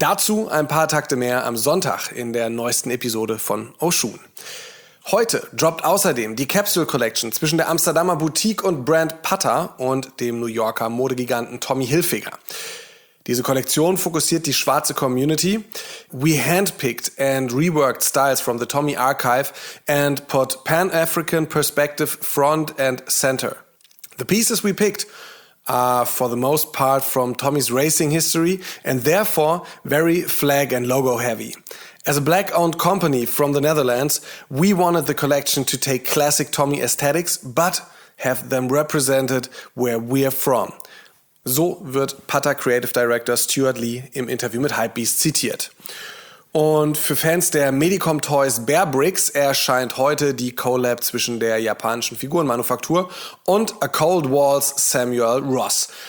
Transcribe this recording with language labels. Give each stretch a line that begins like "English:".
German: Dazu ein paar Takte mehr am Sonntag in der neuesten Episode von O Shoon. Heute droppt außerdem die Capsule Collection zwischen der Amsterdamer Boutique und Brand Putter und dem New Yorker Modegiganten Tommy Hilfiger. Diese Kollektion fokussiert die schwarze Community.
English: We handpicked and reworked styles from the Tommy Archive and put Pan-African perspective front and center. The pieces we picked are for the most part from Tommy's racing history and therefore very flag and logo heavy. As a black-owned company from the Netherlands, we wanted the collection to take classic Tommy aesthetics but have them represented where we're from.
German: So wird Putter Creative Director Stuart Lee im Interview mit Hypebeast zitiert. Und für Fans der Medicom Toys Bear Bricks erscheint heute die Collab zwischen der japanischen Figurenmanufaktur und A Cold Walls Samuel Ross.